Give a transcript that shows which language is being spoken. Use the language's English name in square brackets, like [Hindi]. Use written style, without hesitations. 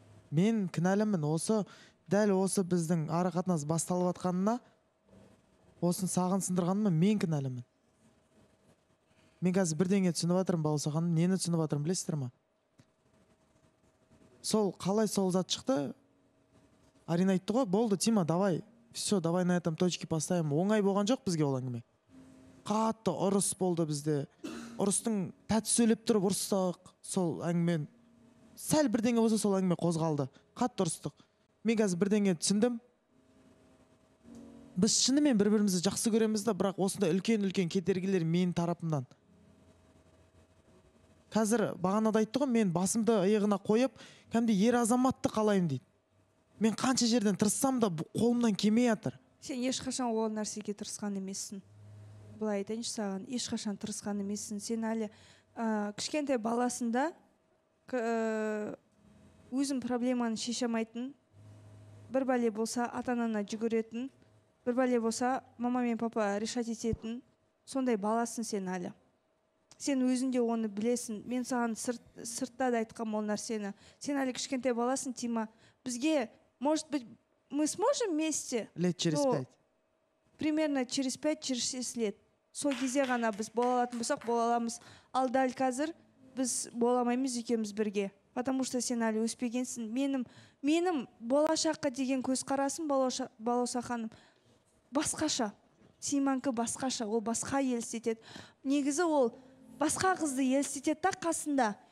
[Kazakh] Мен кінәлімін, осы дәл осы біздің ара қатынас басталып жатқанына осын сағын сындырғаныма мен кінәлімін. Мен қазір бірдеңе түсініп жатырмын, Балауса ханым, нені түсініп жатырмын білесіздер ма? Сол қалай сол зат шықты? Арина айтты ғой, болды Тима, [Russian] давай, все, давай на этом точке поставим. [Kazakh] Оңай болған жоқ бізге ол әңгіме. Қатты ұрыс болды бізде. Ұрыстың тәтті сөйлеп тұрып ұрыстық сол әңгіме. Сәл бірдеңе болса сол әңгіме қозғалды. Қатты ұрыстық. Мен қазір бірдеңе түсіндім. Біз шынымен бір-бірімізді жақсы көреміз де, бірақ осындай үлкен-үлкен кедергілер менің тарапымнан. Қазір бағанада айтты ғой, мен басымды иығына қойып, кәдімгі ер азаматты қалайын дейді. Мен қанша жерден тырыссам да қолымнан келмей жатыр. Сен ешқашан ол нәрсеге тырысқан емессің. Былай айтайыншы саған, ешқашан тырысқан емессің. Сен әлі кішкентай баласында өзің проблеманы шеше алмайтын, бір бәле болса ата-анаңа жүгіретін, бір бәле болса мама мен папа решать ететін сондай баласың сен әлі. Сен өзің де оны білесің. Мен саған сыртта да айтқам ол нәрсені. Сен әлі кішкентай баласың, Тима. Бізге, [Russian] может быть, мы сможем вместе? Лет через пять. Примерно через пять, через шесть лет. [Kazakh] Сол кезде ғана біз бола алатын болсақ, бола аламыз. Ал дәл қазір біз бола алмаймыз екеуміз бірге. [Russian] Потому что [Kazakh] сен әлі өспегенсің. Менім болашаққа деген көзқарасым, Балауса ханым, басқаша. Симанкі басқаша, ол басқа елестетеді. Негізі ол басқа қызды елестетеді та қасында.